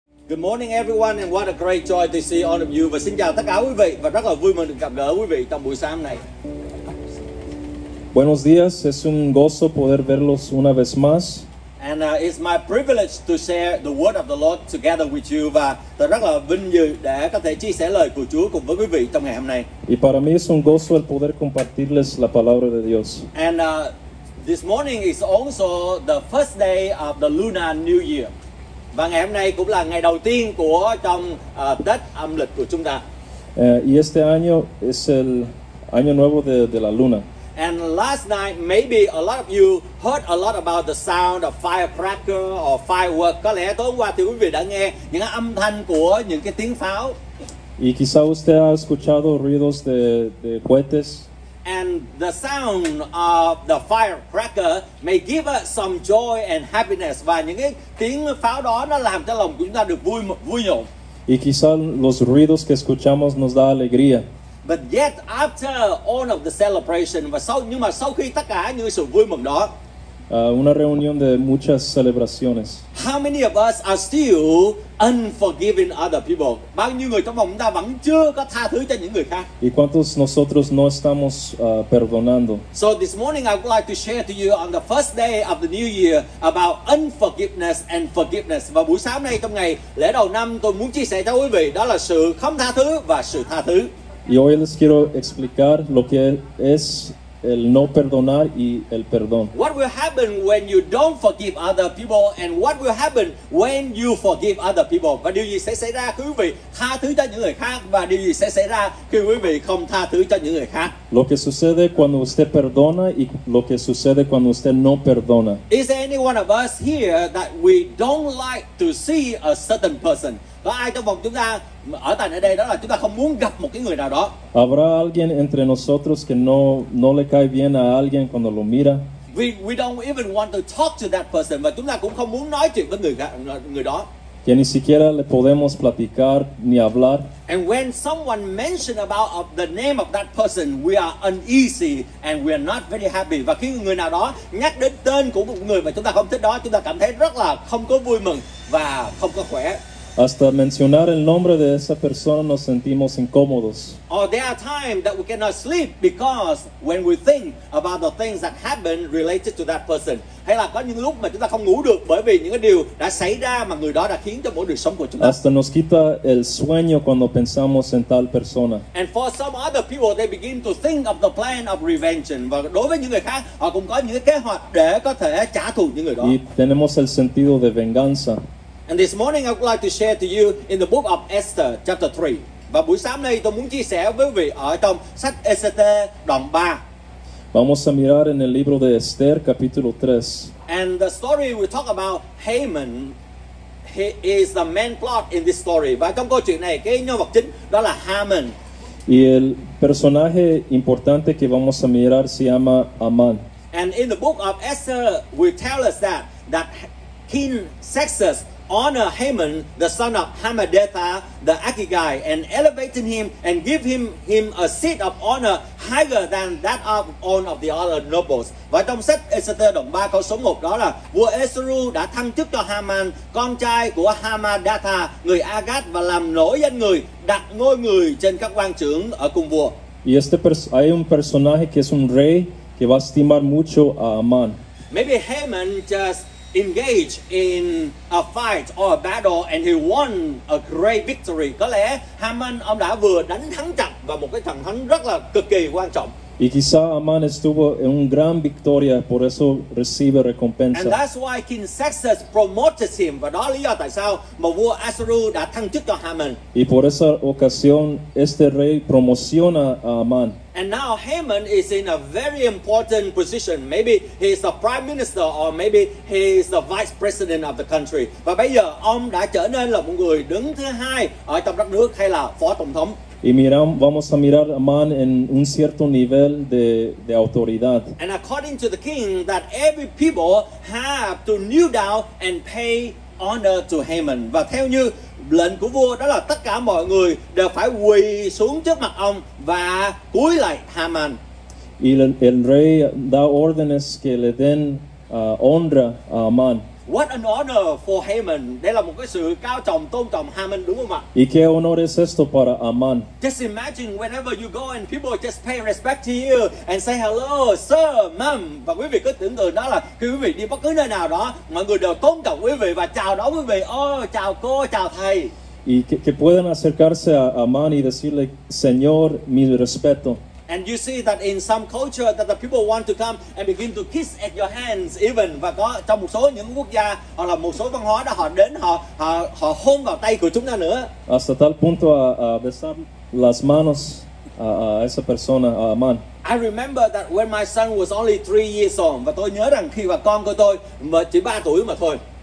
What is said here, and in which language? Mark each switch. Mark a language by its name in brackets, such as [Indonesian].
[English] Good morning everyone and what a great joy to see all of you. [Vietnamese] Và xin chào tất cả quý vị và rất là vui mừng được gặp gỡ quý vị trong buổi sáng này. [Spanish] Buenos días, es un gozo poder verlos una vez más. [English] And it's my privilege to share the word of the Lord together with you. [Vietnamese] Và tôi rất là vinh dự để có thể chia sẻ lời của Chúa cùng với quý vị trong ngày hôm nay. [Spanish] Y para mí es un gozo el poder compartirles la palabra de Dios. [English] And this morning is also the first day of the Lunar New Year. [Vietnamese] Và ngày hôm nay cũng là ngày đầu tiên của trong Tết âm lịch của chúng ta. [Spanish] Y este año es el año nuevo de la luna. [English] And last night, maybe a lot of you heard a lot about the sound of firecracker or firework. [Vietnamese] Có lẽ tối qua thì quý vị đã nghe những âm thanh của những cái tiếng pháo. [Spanish] Y quizá usted ha escuchado ruidos de cohetes. [English] And the sound of the firecracker may give us some joy and happiness. [Vietnamese] Và những cái tiếng pháo đó nó làm cho lòng của chúng ta được vui nhộn. [Spanish] Y quizá los ruidos que escuchamos nos da alegría. [English] But yet after all of the celebration, [Vietnamese] nhưng mà sau khi tất cả những sự vui mừng đó, [Spanish] una reunión de muchas celebraciones. [English] How many of us are still unforgiving other people? [Vietnamese] Bao nhiêu người trong vòng chúng ta vẫn chưa có tha thứ cho những người khác? [Spanish] Y cuántos nosotros no estamos perdonando? [English] So this morning I would like to share to you on the first day of the new year about unforgiveness and forgiveness. [Vietnamese] Và buổi sáng nay trong ngày lễ đầu năm tôi muốn chia sẻ cho quý vị đó là sự không tha thứ và sự tha thứ. [Spanish] Y hoy les quiero explicar lo que es el no perdonar y el perdón. [English] What will happen when you don't forgive other people and what will happen when you forgive other people? [Vietnamese] Và điều gì sẽ xảy ra khi quý vị tha thứ cho những người khác và điều gì sẽ xảy ra khi quý vị không tha thứ cho những người khác? [Spanish] Lo que sucede cuando usted perdona y lo que sucede cuando usted no perdona. [English] Is there any one of us here that we don't like to see a certain person? [Vietnamese] Có ai trong vòng chúng ta ở tại đây đó là chúng ta không muốn gặp một cái người nào đó? [Spanish] Habrá alguien entre nosotros que no le cae bien a alguien cuando lo mira. [English] We don't even want to talk to that person, [Vietnamese] và chúng ta cũng không muốn nói chuyện với người đó. [Spanish] Que ni siquiera le podemos platicar ni hablar. [English] And when someone mentioned about the name of that person, we are uneasy and we are not very happy. [Vietnamese] Và khi người nào đó nhắc đến tên của một người mà chúng ta không thích đó, chúng ta cảm thấy rất là không có vui mừng và không có khỏe. [Spanish] Hasta mencionar el nombre de esa persona nos sentimos incómodos. [English] Or there are times that we cannot sleep because when we think about the things that happened related to that person. [Vietnamese] Hay là có những lúc mà chúng ta không ngủ được bởi vì những cái điều đã xảy ra mà người đó đã khiến cho mỗi đời sống của chúng ta. [Spanish] Hasta nos quita el sueño cuando pensamos en tal persona. [English] And for some other people, they begin to think of the plan of revenge. [Vietnamese] Và đối với những người khác, họ cũng có những kế hoạch để có thể trả thù những người đó. [Spanish] Y tenemos el sentido de venganza. [English] And this morning I would like to share to you in the book of Esther chapter 3. [Vietnamese] Và buổi sáng nay tôi muốn chia sẻ với quý vị ở trong sách Esther đoạn 3. [Spanish] Vamos a mirar en el libro de Esther capítulo 3. [English] And the story we talk about Haman, he is the main plot in this story. [Vietnamese] Và trong câu chuyện này cái nhân vật chính đó là Haman. [Spanish] Y el personaje importante que vamos a mirar se llama Amán. [English] And in the book of Esther we tell us that King Xerxes honor Haman, the son of Hammedatha, the Agagite, and elevating him and give him a seat of honor higher than that of all of the other nobles. [Vietnamese] Và trong sách Esther đoạn 3 câu số 1 đó là vua Esru đã thăng chức cho Haman, con trai của Hammedatha, người Agag, và làm nổi danh người, đặt ngôi người trên các quan trưởng ở cùng vua. [Spanish] Y este hay un personaje que es un rey que va a estimar mucho a Haman. [English] Maybe Haman just engage in a fight or a battle and he won a great victory. [Vietnamese] Có lẽ Haman ông đã vừa đánh thắng trận và một cái trận thắng rất là cực kỳ quan trọng. [Spanish] Y quizá Haman estuvo en un gran victoria, por eso recibe recompensa. [English] And that's why King Xerxes promoted him. [Vietnamese] Và đó là lý do tại sao mà vua Asuru đã thăng chức cho Haman. [Spanish] Y por esa ocasión este rey promociona a Haman. [English] And now Haman is in a very important position. Maybe he is the prime minister or maybe he is the vice president of the country. [Vietnamese] Và bây giờ ông đã trở nên là một người đứng thứ hai ở trong đất nước hay là phó tổng thống. [Spanish] Y vamos a mirar a Amán en un cierto nivel de autoridad. [English] And according to the king, that every people have to kneel down and pay honor to Haman. [Vietnamese] Và theo như lệnh của vua đó là tất cả mọi người đều phải quỳ xuống trước mặt ông và cúi lại Haman. [Spanish] Y el rey da órdenes que le den honra a Amán. [English] What an honor for Haman. [Vietnamese] Đây là một cái sự cao trọng tôn trọng Haman, đúng không ạ? [Spanish] Y qué honor es esto para Amán. [English] Just imagine whenever you go and people just pay respect to you and say hello, sir, ma'am. [Vietnamese] Và quý vị cứ tưởng tượng đó là khi quý vị đi bất cứ nơi nào đó, mọi người đều tôn trọng quý vị và chào đón quý vị. Oh, chào cô, chào thầy. [Spanish] Y que pueden acercarse a Amán y decirle, señor, mi respeto. [English] And you see that in some culture that the people want to come and begin to kiss at your hands even. [Vietnamese] Và có trong một số những quốc gia hoặc là một số văn hóa đó, họ đến họ hôn vào tay của chúng ta nữa. [Spanish] Hasta tal punto a besar las manos a esa persona, a Amán. [English] I remember that when my son was only 3 years old. [Vietnamese] Và tôi nhớ rằng khi mà con của tôi chỉ 3 tuổi mà thôi.